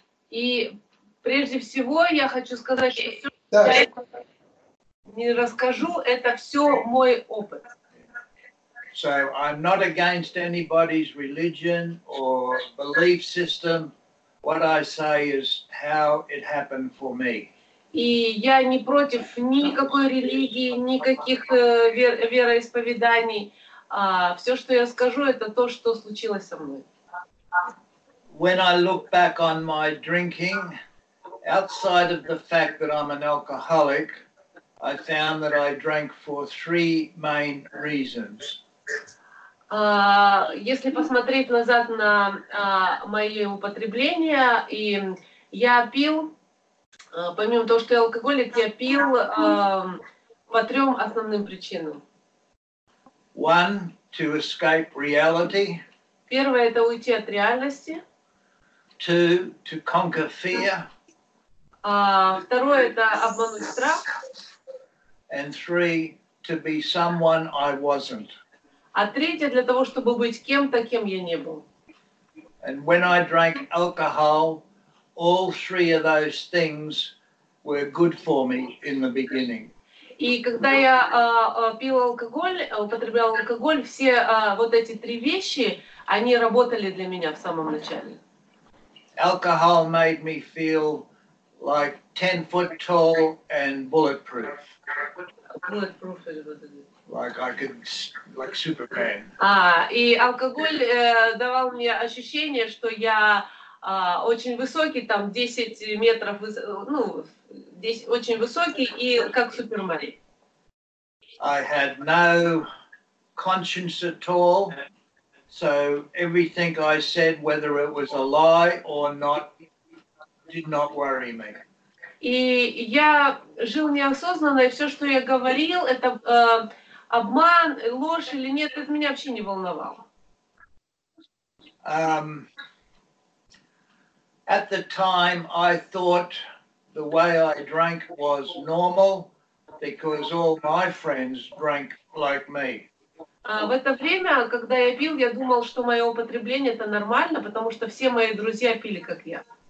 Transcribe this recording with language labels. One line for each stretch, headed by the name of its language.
Russian: И прежде всего я хочу сказать, что все, не расскажу, это все мой опыт.
English: So I'm not against anybody's religion or belief system. What I say is how it happened for me.
Russian: И я не против никакой религии, никаких вероисповеданий. Все, что я скажу, это то, что случилось со мной.
English: When I look back on my drinking, outside of the fact that I'm an alcoholic, I found that I drank for three main reasons.
Russian: Если посмотреть назад на мои употребления, и я пил, помимо того, что я алкоголик, я пил по трем основным причинам.
English: One, to escape reality.
Russian: Первое — это уйти от реальности.
English: Two, to conquer fear.
Russian: Второе — это обмануть страх.
English: And three, to be someone I wasn't.
Russian: А третье — для того, чтобы быть кем-то, кем я не был.
English: And when I drank alcohol, all three of those things were good for me in the beginning.
Russian: И когда я пил алкоголь, употреблял алкоголь, все вот эти три вещи, они работали для меня в самом начале.
English: Alcohol made me feel like 10 foot tall and bulletproof. Bulletproof. Like I could, like Superman.
Russian: И алкоголь давал мне ощущение, что я очень высокий, там 10 метров, ну, здесь очень высокий и как Супермен.
English: I had no conscience at all, so everything I said, whether it was a lie or not, did not worry me.
Russian: И я жил неосознанно, и все, что я говорил, это обман, ложь или нет, это меня вообще не волновало.
English: At the time, I thought the way I drank was normal because all my friends drank like me.
Russian: В это время, когда я пил, я думал, что мое употребление это нормально, потому что все мои друзья пили как я.